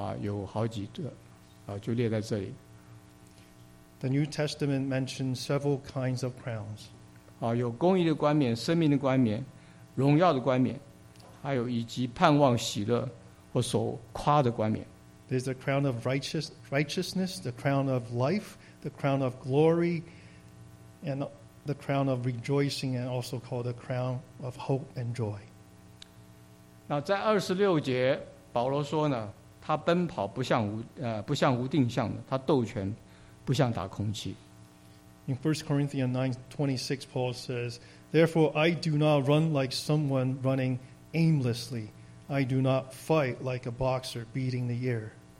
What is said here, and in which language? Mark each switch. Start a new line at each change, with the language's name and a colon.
Chinese: 圣经讲到冠冕这个字有好几个就列在这里。
English: The New Testament mentions several kinds of crowns.
Chinese: 有公义的冠冕、生命的冠冕、荣耀的冠冕，还有以及盼望喜乐或所夸的冠冕。
English: There's the crown of righteousness, the crown of life, the crown of glory, and the crown of rejoicing, and also called the crown of hope and joy.
Chinese: 那在26节，保罗说呢，他奔跑不像无定向的，他斗拳不像打空气。
English: In 1 Corinthians 9:26, Paul says, Therefore I do not run like someone running aimlessly. I do not fight like a boxer beating the air.